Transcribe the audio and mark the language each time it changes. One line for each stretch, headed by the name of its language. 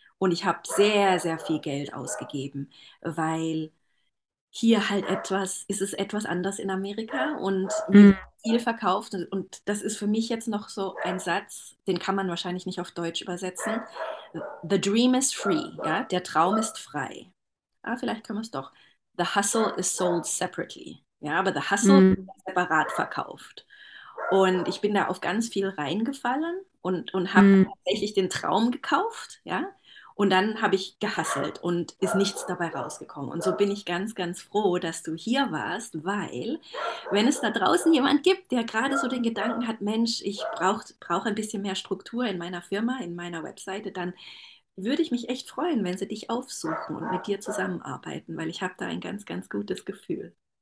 German: Und ich habe sehr, sehr viel Geld ausgegeben, weil hier halt etwas, ist es etwas anders in Amerika und mir wird viel verkauft. Und das ist für mich jetzt noch so ein Satz, den kann man wahrscheinlich nicht auf Deutsch übersetzen.
English: The dream is free,
German: ja, der Traum ist frei. Ah, vielleicht können wir es doch.
English: The hustle is sold separately.
German: Ja, aber
English: the hustle
German: ist separat verkauft. Und ich bin da auf ganz viel reingefallen und habe tatsächlich den Traum gekauft, ja. Und dann habe ich gehasselt und ist nichts dabei rausgekommen. Und so bin ich ganz, ganz froh, dass du hier warst, weil wenn es da draußen jemand gibt, der gerade so den Gedanken hat, Mensch, ich brauch ein bisschen mehr Struktur in meiner Firma, in meiner Webseite, dann würde ich mich echt freuen, wenn sie dich aufsuchen und mit dir zusammenarbeiten, weil ich habe da ein ganz, ganz gutes Gefühl.